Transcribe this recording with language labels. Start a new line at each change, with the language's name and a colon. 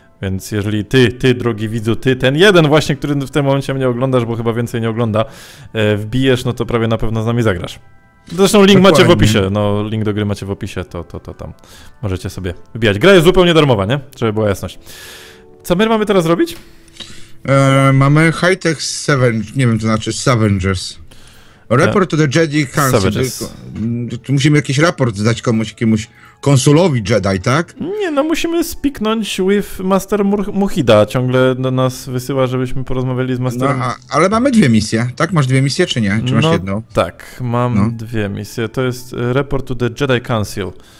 Polish: Więc jeżeli ty, drogi widzu, ty, ten jeden właśnie, który w tym momencie mnie oglądasz, bo chyba więcej nie ogląda, wbijesz, no to prawie na pewno z nami zagrasz. Zresztą link macie w opisie, no link do gry macie w opisie, to tam możecie sobie wbijać. Gra jest zupełnie darmowa, nie? Żeby była jasność. Co my mamy teraz robić? Mamy High Tech Seven, nie wiem, to znaczy Savengers.
English: Report to the Jedi Council.
Polish: Tu musimy jakiś raport zdać komuś, jakiemuś konsulowi Jedi, tak? Nie, no musimy spiknąć with Master Muhida. Ciągle do nas wysyła, żebyśmy porozmawiali z Masterem. No, ale mamy dwie misje, tak? Masz dwie misje, czy nie? Czy masz jedną? Tak, mam dwie misje. To jest Report to the Jedi Council.